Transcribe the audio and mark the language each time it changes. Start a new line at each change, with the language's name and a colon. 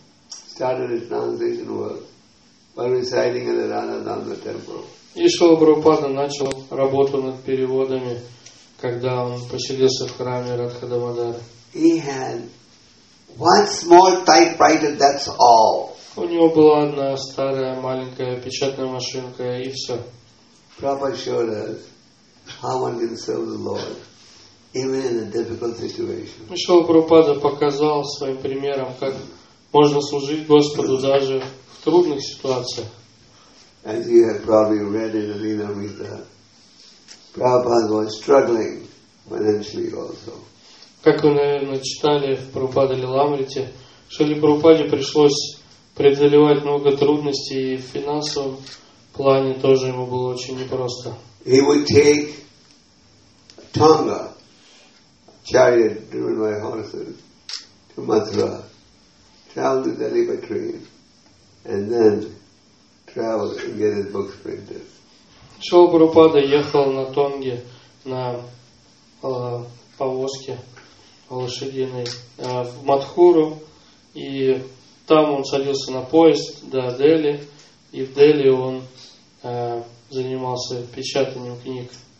English: Started his translation work by reciting in the Radhadamodar temple.
Russian: И Шрила Прабхупада начал работу над переводами, когда он поселился в храме Радха-Дамодара.
English: He had one small typewriter, that's all.
Russian: У него была одна старая маленькая печатная машинка, и все.
English: Prabhupada showed us how one can serve the Lord even in a difficult situation.
Russian: Шрила Прабхупада показал своим примером, как можно служить Господу даже в трудных ситуациях.
English: As you have probably read in Leelamrita, Prabhupada was struggling financially also.
Russian: Как вы, наверное, читали в Прабхупаде Лиламрите, Шрила Прабхупаде пришлось преодолевать много трудностей в финансовом плане, тоже ему было очень непросто.
English: He would take Tonga, chariot driven by horses, to Mathura, travel to Delhi by train, and then travel and get his books printed.
Russian: Шрила Прабхупада ехал на Тонге на повозке лошадиной в Матхуру, и там он садился на поезд до Дели, и в Дели он занимался печатанием книг.